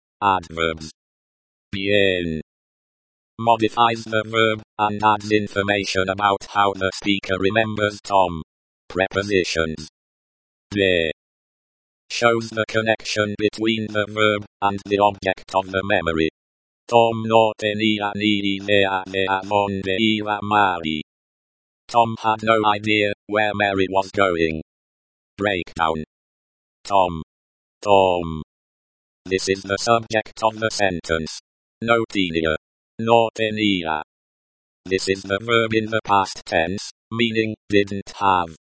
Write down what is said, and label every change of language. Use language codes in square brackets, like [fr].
[en] Adverbs. Bien. Modifies the verb, and adds information about how the speaker remembers Tom. Prepositions. De. Shows the connection between the verb, and the object of the memory. [es] Tom no tenía ni idea de a dónde iba Mary. [en] Tom had no idea where Mary was going. Breakdown. Tom. Tom. This is the subject of the sentence. [es] No tenía. No tenía. [en] This is the verb in the past tense, meaning didn't have.